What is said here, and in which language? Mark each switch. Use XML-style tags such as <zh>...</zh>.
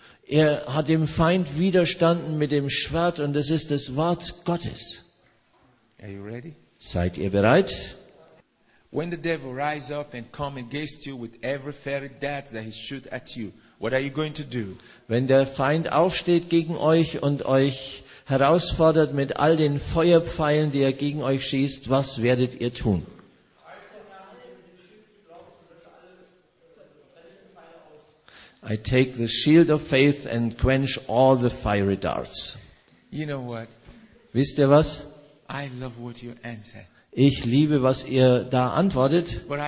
<de>Er hat dem Feind widerstanden mit dem Schwert und es ist das Wort Gottes. Seid ihr bereit?</de> <en>When the devil rises up and comes against you with every fiery dart that he shoots at you, what are you going to do?</en> <de>Wenn der Feind aufsteht gegen euch und euch herausfordert mit all den Feuerpfeilen, die er gegen euch schießt, was werdet ihr tun?</de> <en>I take the shield of faith and quench all the fiery darts. You know what?</en> <de>Wisst ihr was?</de> <en>I love what you answer.</en> <de>Ich liebe, was ihr da antwortet.</de>